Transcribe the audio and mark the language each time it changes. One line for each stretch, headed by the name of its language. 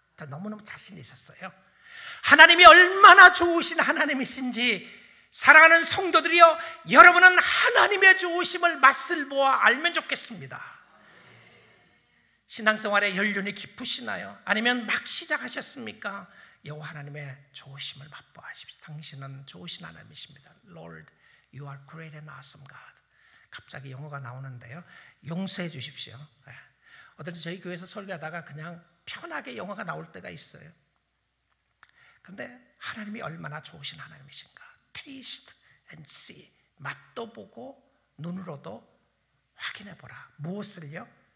Korean: 다 너무너무 자신 있었어요. 하나님이 얼마나 좋으신 하나님이신지 사랑하는 성도들이여 여러분은 하나님의 좋으심을 맛을 보아 알면 좋겠습니다. 신앙생활에 연륜이 깊으시나요? 아니면 막 시작하셨습니까? 여호와 하나님의 좋으심을 맛보십시오. 당신은 좋으신 하나님이십니다.
English: Lord, you are great and awesome God.
Korean: 갑자기 영어가 나오는데요. 용서해 주십시오. 어떤지 저희 교회에서 설교하다가 그냥 편하게 영어가 나올 때가 있어요. 그런데 하나님이 얼마나 좋으신 하나님이신가.
English: Taste and see.
Korean: 맛도 보고 눈으로도 확인해 보라. 무엇을요?